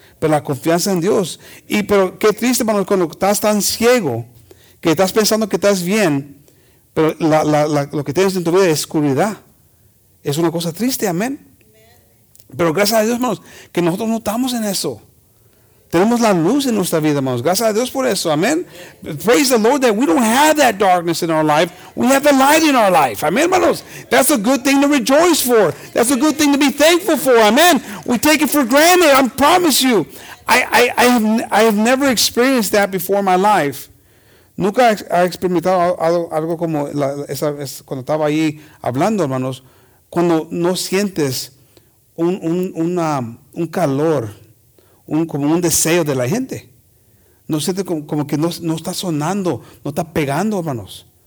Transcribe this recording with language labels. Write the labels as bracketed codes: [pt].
[es] Pero la confianza en Dios. Pero qué triste, hermanos, cuando estás tan ciego, que estás pensando que estás bien, pero lo que tienes en tu vida es oscuridad. Es una cosa triste, amén. Pero gracias a Dios, hermanos, que nosotros no estamos en eso. Tenemos la luz en nuestra vida, hermanos. Gracias a Dios por eso. Amén. [en] Praise the Lord that we don't have that darkness in our life. We have the light in our life. [es] Amén, hermanos. [en] That's a good thing to rejoice for. That's a good thing to be thankful for. Amén. We take it for granted. I promise you. I have never experienced that before in my life. [es] Nunca he experimentado algo como cuando estaba ahí hablando, hermanos. Cuando no sientes un calor, como un deseo de la gente. No siente como que no está sonando, no está pegando, hermanos.